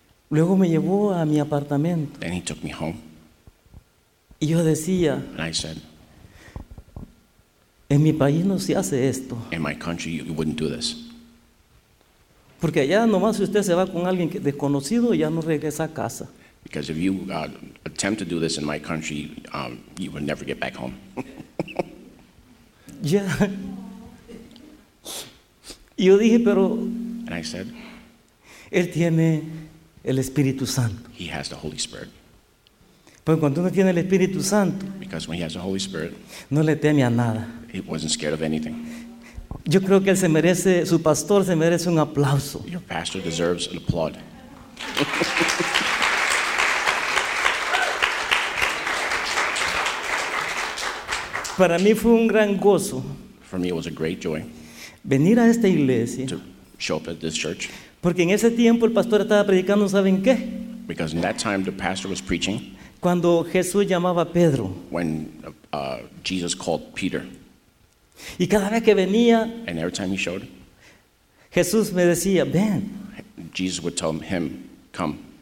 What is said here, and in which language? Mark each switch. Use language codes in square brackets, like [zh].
[es] Luego me llevó a mi apartamento. [en] Then he took me home. [es] Y yo decía, [en] and I said, [es] en mi país no se hace esto. [en] In my country you wouldn't do this. [es] Porque allá nomás si usted se va con alguien desconocido ya no regresa a casa. [en] Because if you attempt to do this in my country, you would never get back home. Yeah. [es] Yo dije, pero [en] and I said, [es] él tiene el Espíritu Santo. [en] He has the Holy Spirit. [es] Pero cuando uno tiene el Espíritu Santo, [en] because when he has the Holy Spirit, [es] no le teme a nada. [en] He wasn't scared of anything. [es] Yo creo que él se merece, su pastor se merece un aplauso. [en] Your pastor deserves an applaud. [es] Para mí fue un gran gozo. [en] For me it was a great joy. [es] Venir a esta iglesia. [en] To show up at this church. [es] Porque en ese tiempo el pastor estaba predicando, ¿saben qué? [en] Because in that time the pastor was preaching. [es] Cuando Jesús llamaba a Pedro. [en] When Jesus called Peter. [es] Y cada vez que venía, [en] and every time he showed, [es] Jesús me decía, ven. [en] Jesus would tell him, come.